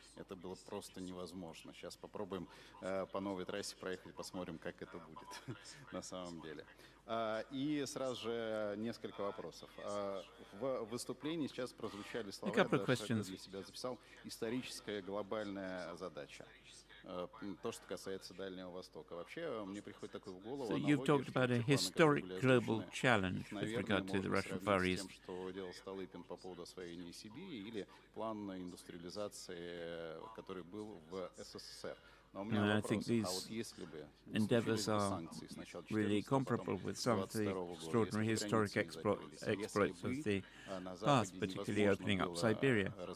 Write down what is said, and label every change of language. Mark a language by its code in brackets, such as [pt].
[ru] Это было просто невозможно. Сейчас попробуем по новой трассе проехать, посмотрим, как это будет на самом деле. И сразу же несколько вопросов. В выступлении сейчас прозвучали слова, я даже для себя записал, историческая глобальная задача. То, что касается Дальнего Востока. Вообще, мне приходит такой в голову. [en] So you've talked about a historic global challenge with regard to the Russian Far East. [ru] Наверное, можно сравнить с тем, что делал Столыпин по поводу освоения Сибири или план индустриализации, который был в СССР. [en] And I think these endeavors are really comparable with some of the extraordinary historic exploits of the past, particularly opening up Siberia.